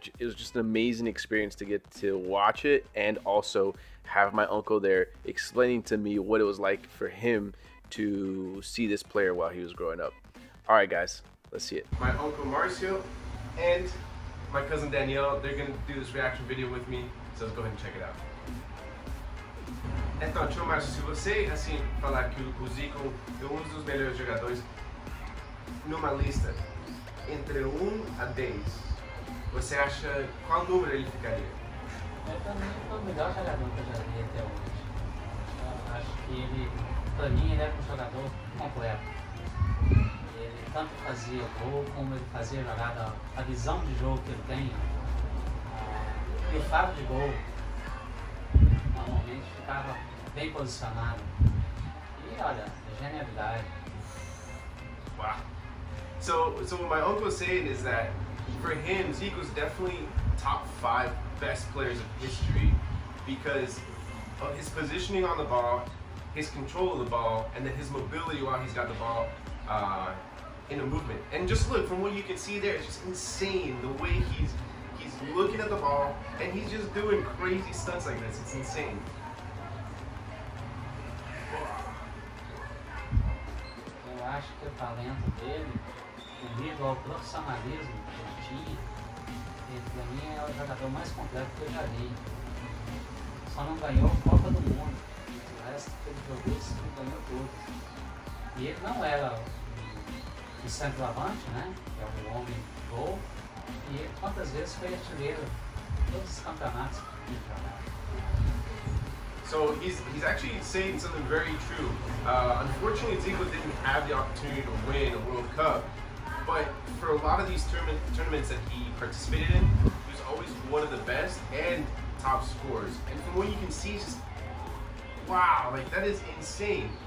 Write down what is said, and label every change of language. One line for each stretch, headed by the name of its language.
English: It was just an amazing experience to get to watch it and also have my uncle there explaining to me what it was like for him to see this player while he was growing up. All right, guys, let's see it. My uncle Marcio and my cousin Danielle, they're gonna do this reaction video with me, so let's go ahead and check it out.
Portuguese: Então, tio Marcio, se você assim falar que o Zico é dos melhores jogadores numa lista entre 1 a 10, você acha qual número ele ficaria? Ele para mim foi o melhor jogador que eu já vi até hoje. Acho que ele, para mim, ele era um jogador completo. Ele tanto fazia gol como ele fazia jogada. A visão de jogo que ele tem, ele faz de gol, normalmente ficava bem posicionado. E olha, genialidade. Uau!
English: So what my uncle was saying is that for him, Zico's definitely top 5 best players of history because of his positioning on the ball, his control of the ball, and then his mobility while he's got the ball in a movement. And just look, from what you can see there, it's just insane the way he's looking at the ball and he's just doing crazy stunts like this. It's insane.
Portuguese: Devido ao profissionalismo que ele tinha, ele pra mim é o jogador mais completo que eu já vi. Só não ganhou a Copa do Mundo. O resto que ele jogou, ele ganhou tudo. E ele não era o centroavante, né? Que é o homem de gol. E ele quantas vezes foi artilheiro em todos os campeonatos que ele jogava.
English: So he's actually saying something very true. Unfortunately, Zico didn't have the opportunity to win a World Cup, but for a lot of these tournaments that he participated in, he was always one of the best and top scorers. And from what you can see, just wow, like that is insane.